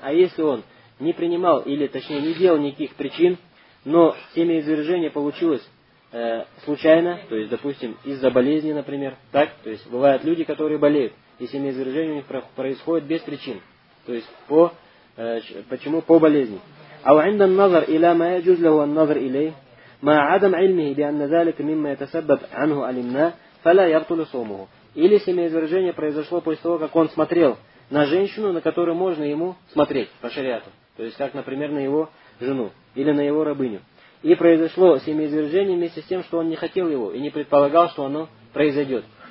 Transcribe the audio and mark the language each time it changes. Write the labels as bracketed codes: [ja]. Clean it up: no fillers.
[ru] А если он не принимал, или точнее не делал никаких причин, но семяизвержение получилось случайно, то есть, допустим, из-за болезни, например, так, то есть, бывают люди, которые болеют, и семяизвержение у них происходит без причин. То есть по почему? По болезни. А [ar] عند النظر الى ما يجوز له النظر اليه مع عدم علمه بان ذلك مما يتسبب عنه علمنا فلا يبطل صومه. [ru] Или семяизвержение произошло после того, как он смотрел на женщину, на которую можно ему смотреть по шариату. То есть, как, например, на его жену или на его рабыню. И произошло семяизвержение вместе с тем, что он не хотел его и не предполагал, что оно произойдет.